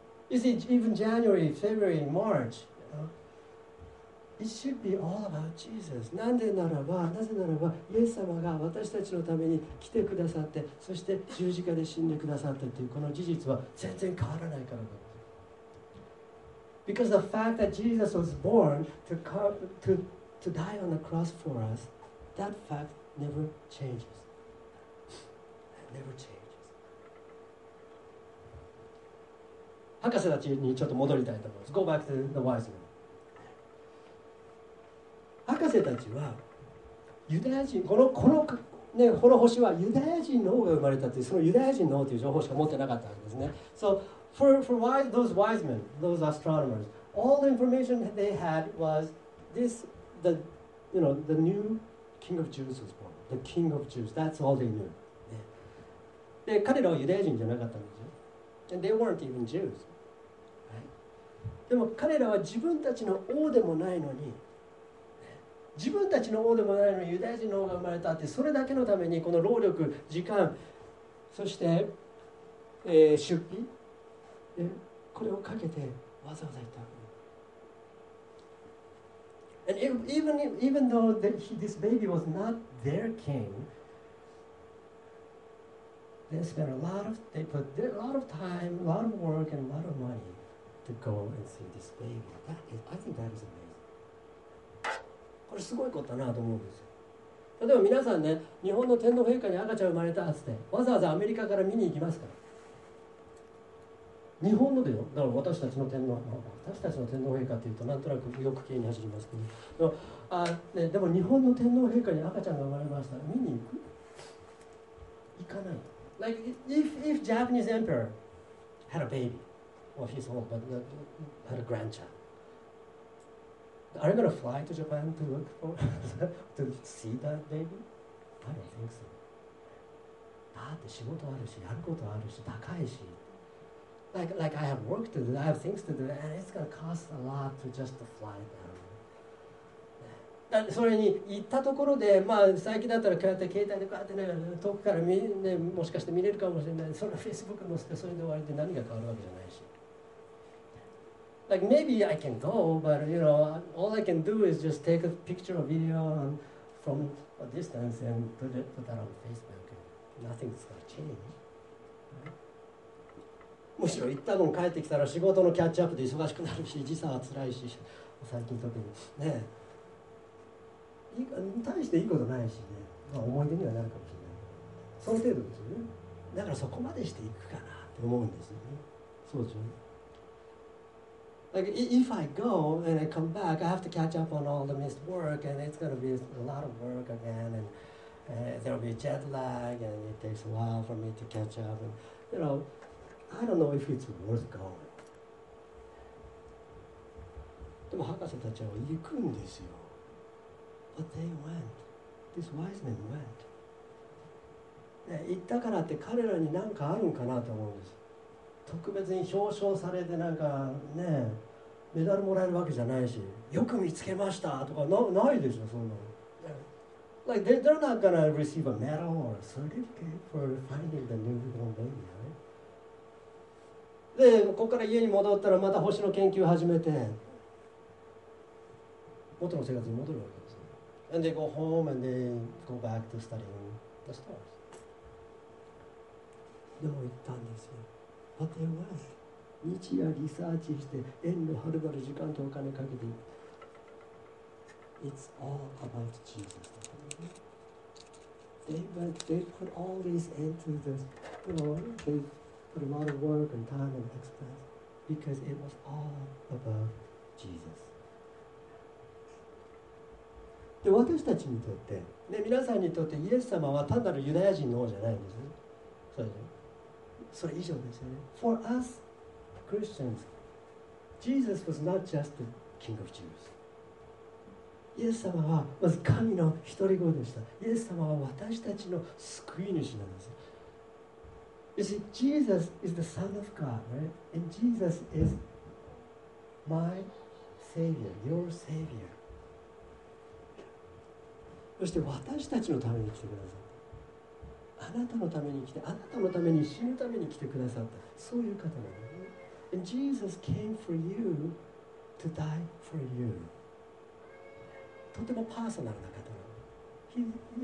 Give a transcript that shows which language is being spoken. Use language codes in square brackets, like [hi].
[en] You see, even January, February, March, it should be all about Jesus. [ja] なんでならば、なぜならば、イエス様が私たちのために来てくださって、そして十字架で死んでくださってというこの事実は全然変わらないからなんです。 [en] Because the fact that Jesus was born to die on the cross for us, that fact never changes. Never changes. [ja] 博士たちにちょっと戻りたいと思います。 [en] Go back to the wise men. [ja] 博士たちはユダヤ人、ね、この星はユダヤ人の王が生まれたという、そのユダヤ人の王という情報しか持ってなかったんですね。 [en] So for wise, those wise men, those astronomers, all the information that they had was this, the, you know, the new king of Jews was born. The king of Jews, that's all they knew.、ね、 [ja] で彼らはユダヤ人じゃなかったんですよ。 [en] And they weren't even Jews.、 Right? [ja] でも彼らは自分たちの王でもないのに、自分たちの王でもないのにユダヤ人の王が生まれたって、それだけのためにこの労力、時間、そして、出費、これをかけてわざわざ行った。 [en] And even though this baby was not their king, they spent a lot of time, a lot of work and a lot of money to go and see this baby. I think that is amazing. [ja] これすごいことだなと思うんですよ。例えば皆さんね、日本の天皇陛下に赤ちゃん生まれたってわざわざアメリカから見に行きますから、日本のでよ。だから私たちの天皇、私たちの天皇陛下というとなんとなくよく気に走りますけど、でも日本の天皇陛下に赤ちゃんが生まれました、見に行く？行かない。 [en] Like if Japanese emperor had a baby of his own but not, had a grandchildAre you going to fly to Japan to look for, to see that baby? I don't think so. [ja] だって仕事あるし、やることあるし、高いし。 [en] Like I have work to do, I have things to do, and it's going to cost a lot to just to fly down. [ja] それに行ったところで、まあ最近だったらこうやって携帯でこうやってね、遠くから見、ね、もしかして見れるかもしれない。それは Facebook 載せて、それで終わりで何が変わるわけじゃないし。 [en] Like maybe I can go, but you know, all I can do is just take a picture or video from a distance and put that on Facebook. Nothing's gonna change. [ja] むしろ行った分帰ってきたら仕事のキャッチアップで忙しくなるし時差は辛いし最近特にね、いい大していいことないしね、まあ、思い出にはなるかもしれない。その程度ですよね。だからそこまでしていくかなって思うんですよね。そうですよね。 [en] Like if I go and I come back, I have to catch up on all the missed work, and it's gonna be a lot of work again, and there'll be jet lag, and it takes a while for me to catch up. And, you know, I don't know if it's worth going. [ja] でも博士たちは行くんですよ。 [en] But they went. These wise men went. [ja] で、行ったからって彼らに何かあるんかなと思うんです。特別に表彰されてなんかね、メダルもらえるわけじゃないし、よく見つけましたとか ないでしょ、そんなの。 [en] Like, they're not gonna receive a medal or a certificate for finding the newborn baby, right? [ja] で、ここから家に戻ったらまた星の研究を始めて、元の生活に戻るわけですよ。 [en] And they go home and they go back to studying the stars. [ja] でも行ったんですよ。 [en] But they went. [ja] 日夜リサーチして、遠路はるばる時間とお金かけて、 [en] It's all about Jesus. They went, they put all this into this, you know, they put a lot of work and time and expense because it was all about Jesus. [ja] で、私たちにとって、で、皆さんにとってイエス様は単なるユダヤ人の王じゃないんです。そうですね。それ以上ですよね。 [en] For us Christians, Jesus was not just the King of Jews. [ja] イエス様はまず神の独り子でした。イエス様は私たちの救い主なんです。 [en] You see, Jesus is the Son of God, right? And Jesus is my Savior, your Savior. [ja] そして私たちのために来てくださった。あなたのために来て、あなたのために死ぬために来てくださった。そういう方なんです。 [en] And Jesus came for you to die for you. [ja] とてもパーソナルな方なの。